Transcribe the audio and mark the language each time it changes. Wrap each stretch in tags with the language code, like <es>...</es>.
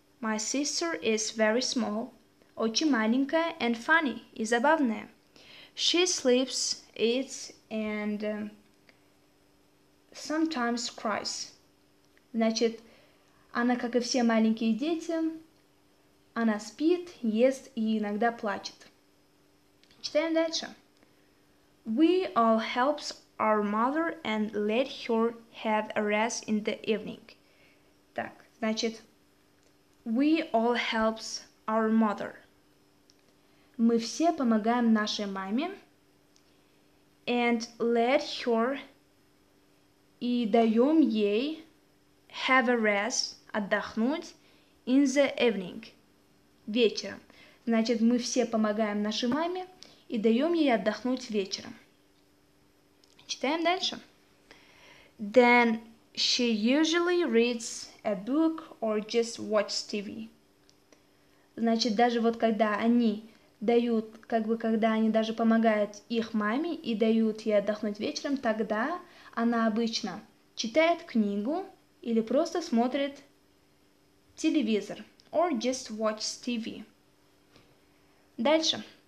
<en>My sister is very small.</en> <ru>Очень маленькая</ru> <en>and funny,</en> <ru>и забавная.</ru> <en>She sleeps, eats, and sometimes cries.</en> <ru>Значит, она, как и все маленькие дети, она спит, ест и иногда плачет. Читаем дальше.</ru> <en>We all help our mother and let her have a rest in the evening.</en> <ru>Так, значит,</ru> <en>we all help our mother.</en> <ru>Мы все помогаем нашей маме.</ru> <en>And let her.</en> <ru>И даем ей.</ru> <en>Have a rest.</en> <ru>Отдохнуть.</ru> <en>In the evening.</en> <ru>Вечером. Значит, мы все помогаем нашей маме. И даем ей отдохнуть вечером. Читаем дальше.</ru> <en>Then she usually reads a book or just watches TV.</en> <ru>Значит, даже вот когда они... дают, как бы, когда они даже помогают их маме и дают ей отдохнуть вечером, тогда она обычно читает книгу или просто смотрит телевизор.</ru> <en>or just watch TV.</en> <ru>Дальше.</ru>